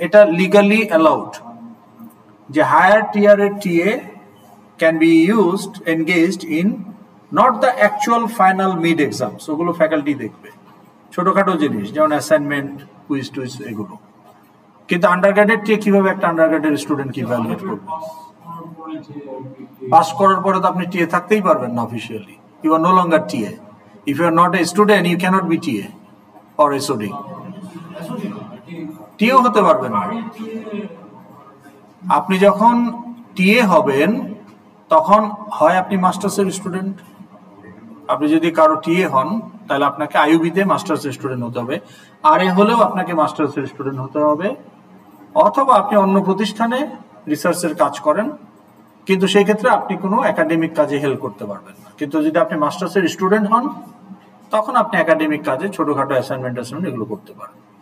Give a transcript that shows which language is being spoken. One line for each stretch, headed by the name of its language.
Bangla: এটা legally allowed যে higher টিয়ারের TA
English: can be used engaged in not the actual final mid exams,
Bangla: ওগুলো faculty দেখবে, ছোটোখাটো জিনিস যেমন অ্যাসাইনমেন্ট কুইজ টুইজ এগুলো, কিন্তু আন্ডারগ্রেডের টিএ কীভাবে একটা আন্ডারগ্রেডের স্টুডেন্ট কী ভ্যালুয়েট করবে? পাস করার পরে তো আপনি টিএ থাকতেই পারবেন না officially,
English: You are no longer TA. If you are not a student, you cannot be TA or SOD.
Bangla: SOD? TA হতে পারবে না। আপনি যখন TA হবেন তখন হয় আপনি মাস্টার্সের স্টুডেন্ট, আপনি যদি কারো TA হন তাহলে আপনাকে আইউবিতে মাস্টার্সের স্টুডেন্ট হতে হবে, আর এ হলেও আপনাকে মাস্টার্সের স্টুডেন্ট হতে হবে, অথবা আপনি অন্য প্রতিষ্ঠানে রিসার্চের কাজ করেন কিন্তু সেই ক্ষেত্রে আপনি কোনো একাডেমিক কাজে হেল্প করতে পারবেন না, কিন্তু যদি আপনি মাস্টার্সের স্টুডেন্ট হন তখন আপনি একাডেমিক কাজে ছোটোখাটো অ্যাসাইনমেন্ট অ্যাসাইনমেন্ট এগুলো করতে পারেন।